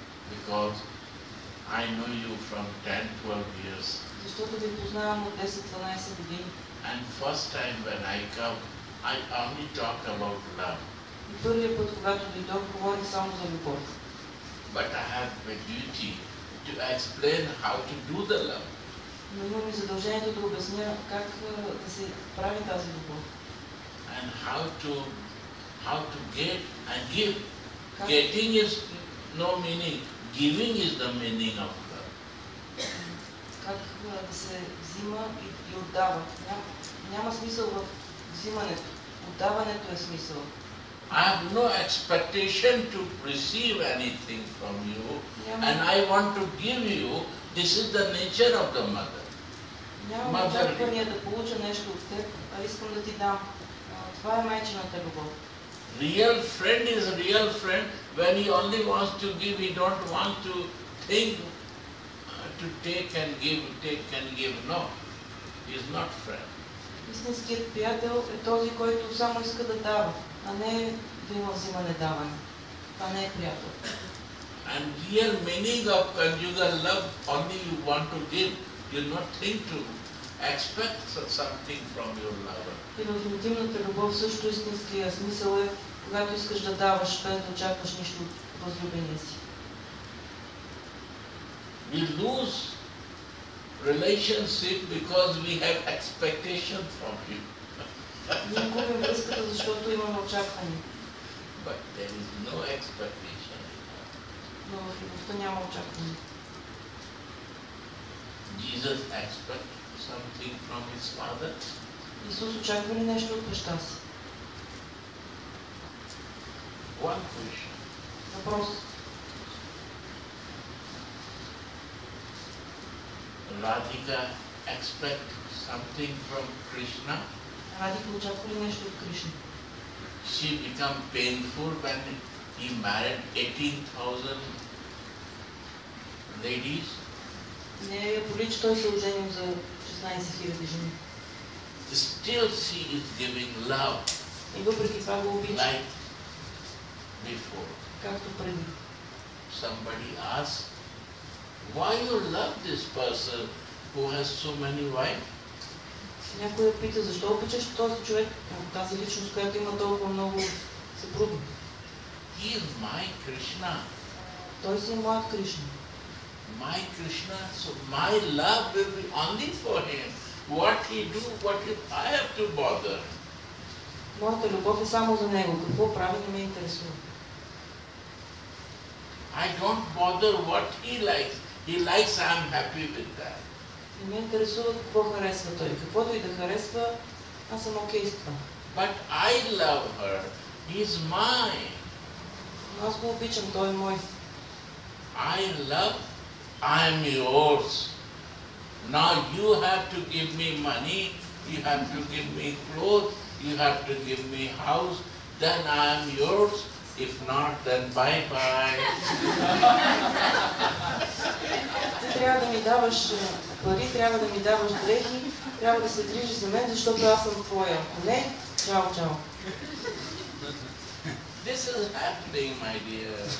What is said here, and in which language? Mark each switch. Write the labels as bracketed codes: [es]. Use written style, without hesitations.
[en] Because I know you from 10-12 years. [bg] Защото ви познавам от 10-12 години. [en] And first time when I come, I only talk about love. [bg] И първият път, когато дойдох, говорих само за любов. [en] But I have my duty to explain how to do the love. [bg] Но имам и задължението да обясня как да се прави тази любов. [en] And how to get and give. [bg] Как? [en] Getting is no meaning. Giving is the meaning of love. [bg] Как да се взима и отдава? Няма смисъл в взимането. Отдаването е смисъл. [en] I have no expectation to receive anything from you, and I want to give you. This is the nature of the mother. [bg] Нямам очаквания да получа нещо от теб, а искам да ти дам. Това е майчината любов. [en] Real friend is a real friend when he only wants to give, he don't want to think to take and give. No, he is not friend. [bg] Истинският приятел е този, който само иска да дава, а не да има взимане даване. Това не е приятел. [en] And real meaning of conjugal love, only you want to give, you not think to expect something from your lover. [bg] И в интимната любов също истинския смисъл е, когато искаш да даваш, без да очакваш нищо от възлюбения си. [en] We lose relationship because we have expectation from him. [bg] Ние губим връзката, защото имаме очакване. [en] But there is no expectation. [bg] Но в любовта няма очакване. [en] Jesus expect something from his father. [bg] Исус очаква ли нещо от баща си? [en] One question. [bg] Вопрос. [en] Radhika expect something from Krishna. [bg] Radhika очаква ли нещо от Кришна? [en] She become painful when he married 18,000 ladies. [bg] Не, боли, че той се оженил за 16 хиляди жени. [en] Still she is giving love. [bg] И въпреки това го обича. [en] Before. [bg] Както преди. [en] Somebody asked, why you love this person who has so many wife? [bg] Някой я пита, защо обичаш този човек, тази личност, която има толкова много съпруги? [en] He is my Krishna. [bg] Той си е моят Кришна. [en] My Krishna, so my love will be only for him. What he do, what if I have to bother? [bg] Моята любов е само за него. Какво прави, не ме интересува. [en] I don't bother what he likes. He likes, I am happy with that. [bg] Не ме интересува какво харесва той. Каквото и да харесва, аз съм окей с това. [en] But I love her. He is mine. [bg] Но аз го обичам, той е мой. [en] I love, I am yours. Now you have to give me money, you have to give me clothes, you have to give me house, then I am yours. If not, then bye-bye. [bg] Ти трябва да ми даваш пари, трябва да ми даваш дрехи, трябва да се грижи за мен, защото аз съм твоя. Не? Чао-чао. [en] This is happening, my dear.